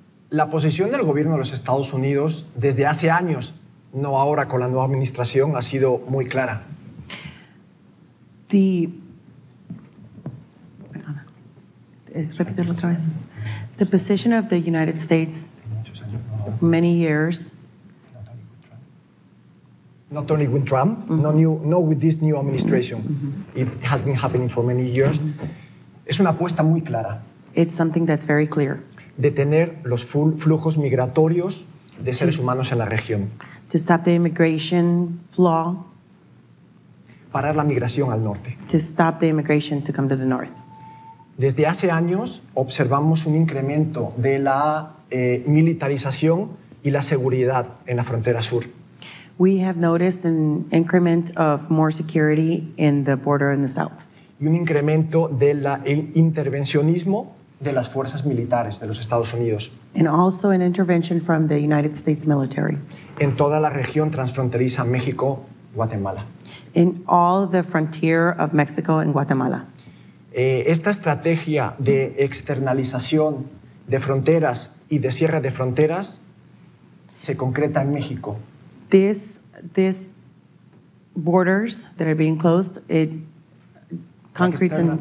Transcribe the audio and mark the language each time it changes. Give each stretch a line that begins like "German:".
Spanish: La posición del gobierno de los Estados Unidos desde hace años, no ahora con la nueva administración, ha sido muy clara.
English: The position of the United States, many years. Not only with Trump, mm-hmm. no with this new administration. Mm-hmm. It has been happening for many years. Mm-hmm.
Spanish: Es una apuesta muy clara.
English: It's something that's very clear.
Spanish: Detener los flujos migratorios de seres humanos en la región.
English: To stop the immigration flow.
Spanish: Parar la migración al norte.
English: To stop the immigration to come to the north.
Spanish: Desde hace años observamos un incremento de la militarización y la seguridad en la frontera sur.
English: We have noticed an increment of more security in the border in the south.
Spanish: Y un incremento del intervencionismo de las fuerzas militares de los Estados Unidos.
English: And also an intervention from the United States military.
Spanish: En toda la región transfronteriza México-Guatemala.
English: In all the frontier of Mexico and Guatemala.
Spanish: Esta estrategia de externalización de fronteras y de cierre de fronteras se concreta en México.
English: This borders that are being closed, it concretes and